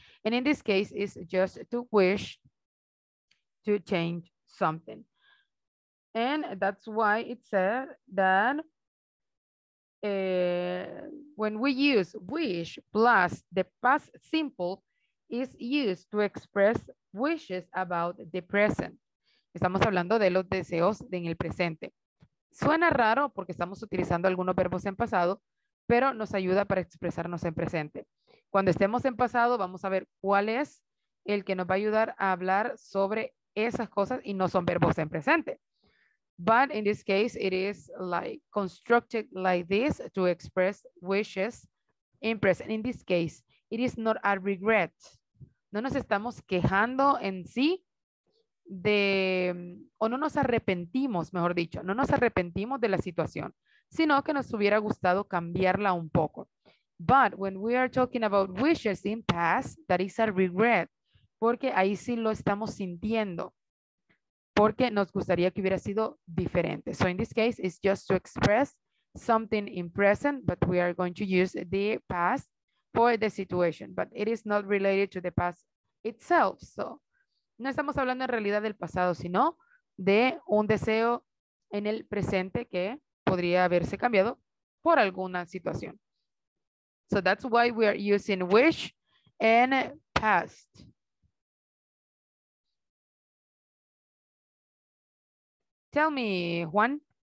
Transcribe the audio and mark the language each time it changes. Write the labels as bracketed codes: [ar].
[en] And in this case, it's just to wish to change something. And that's why it said that when we use wish plus the past simple, is used to express wishes about the present. [es] Estamos hablando de los deseos en el presente. Suena raro porque estamos utilizando algunos verbos en pasado, pero nos ayuda para expresarnos en presente. Cuando estemos en pasado, vamos a ver cuál es el que nos va a ayudar a hablar sobre esas cosas y no son verbos en presente. [en] But in this case, it is like constructed like this to express wishes in present. In this case, it is not a regret. [es] No nos estamos quejando en sí de, o no nos arrepentimos, mejor dicho, no nos arrepentimos de la situación, sino que nos hubiera gustado cambiarla un poco. [en] But when we are talking about wishes in past, that is a regret, [es] porque ahí sí lo estamos sintiendo, porque nos gustaría que hubiera sido diferente. [en] So in this case, it's just to express something in present, but we are going to use the past for the situation, but it is not related to the past itself. [es] So, no estamos hablando en realidad del pasado, sino de un deseo en el presente que podría haberse cambiado por alguna situación. [en] So that's why we are using wish and past. Tell me, Juan.